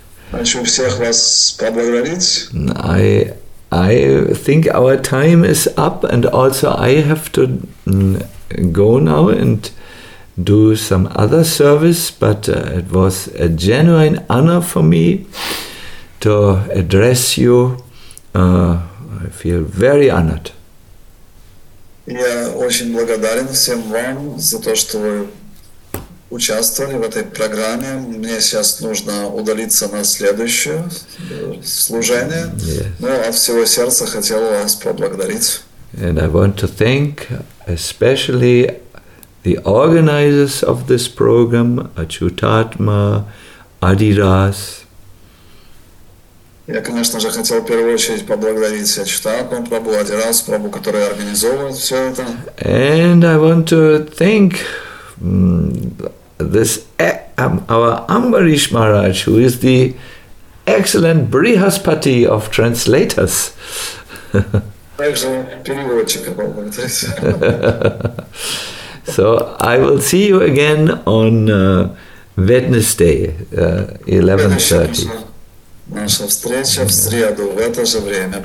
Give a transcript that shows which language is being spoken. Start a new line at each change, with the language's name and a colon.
Russian: Хочу всех вас поблагодарить.
English: I think our time is up, and also I have to go now and do some other service, but it was a genuine honor for me to address you. I feel very honored.
Russian: Я очень благодарен всем вам за то, что вы участвовали в этой программе. Мне сейчас нужно удалиться на следующее служение.
English: Yes.
Russian: Но от всего сердца хотел вас поблагодарить.
English: And I want to thank especially the organizers of this program, Achyutatma, Adiras.
Russian: Я, конечно же, хотел в первую очередь поблагодарить Ачутатму Прабу, Адирас Прабу, который организовывает все это.
English: And I want to thank this our Amrish Maharaj, who is the excellent Brihaspati of translators.
Russian: Также переводчика поблагодарить.
English: So I will see you again on Wednesday, 11:30.
Russian: Наша встреча в среду в это же время.